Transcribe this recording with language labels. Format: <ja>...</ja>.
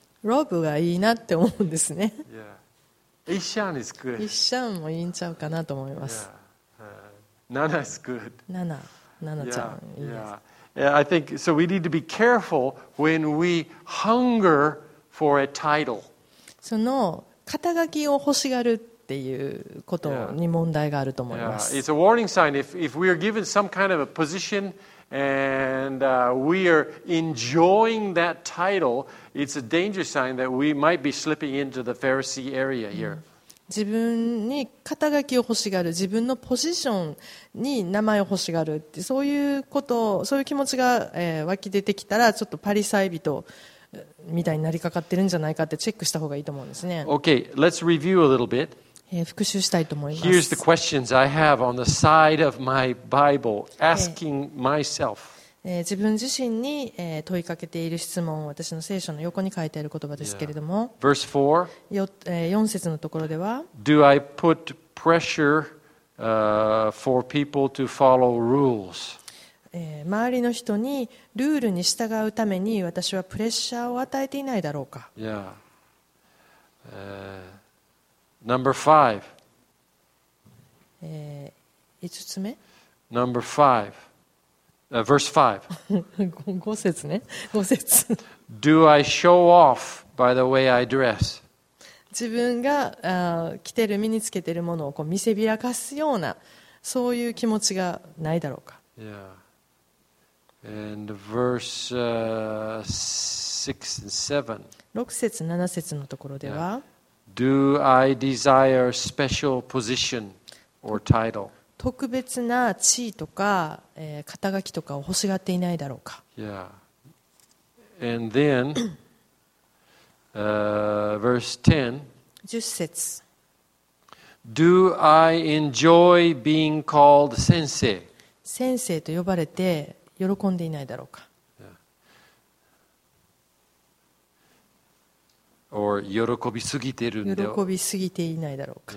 <ja>Rob がいいなって思うんですね。</ja> <en>Ishan is good.</en> <ja>Ishan もいいんちゃうかなと思います。</ja> <en>Nana is good.</en> <ja>Nana, Nana ちゃん、 yeah, いいです。</ja> <en>Yeah, I think so. We need to be careful when we hunger for a title.</en> <ja>その肩書きを欲しがるっていうことに問題があると思います。</ja> <en>Yeah. It's a warning sign if we are given some kind of a position. And we are enjoying that title. It's a danger sign that we might be slipping into the Pharisee area here.</en> <ja>自分に肩書きを欲しがる、自分のポジションに名前を欲しがるって、そういうこと、そういう気持ちが、湧き出てきたら、ちょっとパリサイ人みたいになりかかってるんじゃないかってチェックした方がいいと思うんですね。</ja> <en>Okay, let's review a little bit.</en> <ja>復習したいと思います。</ja> <en>Here's the questions I have on the side of my Bible, asking myself.</en> <ja>自分自身に問いかけている質問、私の聖書の横に書いてある言葉ですけれども、</ja> <en>Verse</en> <ja>4節のところでは、</ja> <en>Do I put pressure for people to follow rules?</en> <ja>周りの人にルールに従うために私はプレッシャーを与えていないだろうか。</ja> <en>Number five.</en> <ja>五つ目?</ja> <en>Number five. Verse five.</en> <ja>五節ね。五節。</ja> <en>Do I show off by the way I dress?</en> <ja>自分が着てる、身につけてるものをこう見せびらかすような、そういう気持ちがないだろうか。</ja> <en>Yeah. And verse six and seven.</en> <ja>六節、七節のところでは、yeah.</ja> <en>Do I desire special position or title?</en> <ja>特別な地位とか、肩書きとかを欲しがっていないだろうか。</ja> <en>Yeah. And then, verse 10. 10</en> <ja>節。</ja> <en>Do I enjoy being called 先生?</en> <ja>先生と呼ばれて喜んでいないだろうか。 Or 喜びすぎてるんだ。喜びすぎていないだろうか。</ja>